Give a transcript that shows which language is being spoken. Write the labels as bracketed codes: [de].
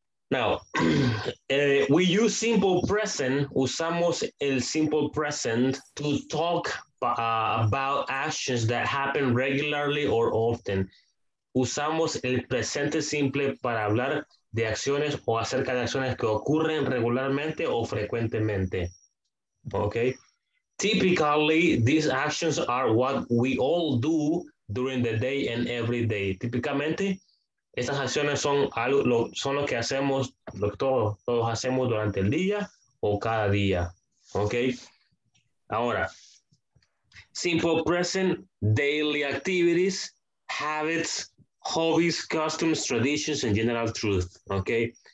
[en] Now, we use simple present, [es] usamos el [en] simple present to talk about actions that happen regularly or often. [es] Usamos el presente simple para hablar de acciones o acerca de acciones que ocurren regularmente o frecuentemente. [en] Okay? Typically, these actions are what we all do during the day and every day. [es] Typically, estas acciones son lo que hacemos, lo que todos hacemos durante el día o cada día, ¿ok? [en] Ahora, simple present, daily activities, habits, hobbies, customs, traditions, and general truth, ¿ok?